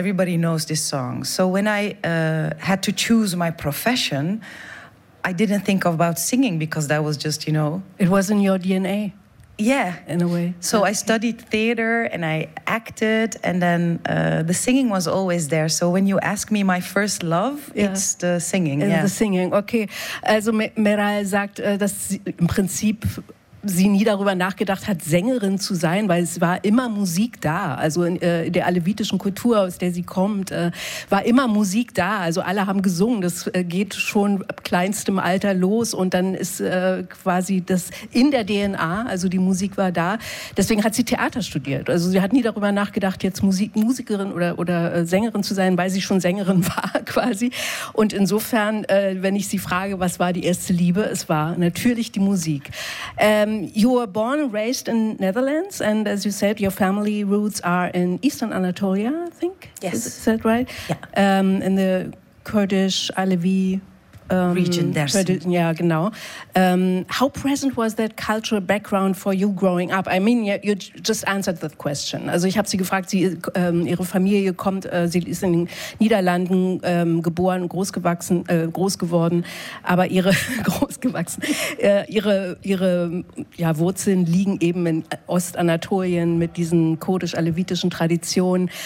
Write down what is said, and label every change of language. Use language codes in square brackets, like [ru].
[en] Everybody knows this song. So when I had to choose my profession, I didn't think about singing because that was just, you know. It was in your DNA. Yeah. In a way. So I studied theater and I acted and then the singing was always there. So when you ask me my first love, it's the singing. It's the singing. Okay. [de] Also Meral sagt, dass sie im Prinzip sie nie darüber nachgedacht hat, Sängerin zu sein, weil es war immer Musik da. Also in der alevitischen Kultur, aus der sie kommt, war immer Musik da. Also alle haben gesungen. Das geht schon ab kleinstem Alter los und dann ist quasi das in der DNA, also die Musik war da. Deswegen hat sie Theater studiert. Also sie hat nie darüber nachgedacht, jetzt Musikerin oder Sängerin zu sein, weil sie schon Sängerin war quasi. Und insofern, wenn ich sie frage, was war die erste Liebe? Es war natürlich die Musik. [en] You were born and raised in Netherlands, and as you said, your family roots are in Eastern Anatolia, I think. Yes. Is that right? Yeah. In the Kurdish Alevi region, Dersim. Yeah, genau. How present was that cultural background for you growing up? I mean, you just answered that question. [de] Also, ich habe sie gefragt, ihre Familie kommt, sie ist in den Niederlanden geboren, ihre Wurzeln liegen eben in Ostanatolien mit diesen kurdisch-alevitischen Traditionen.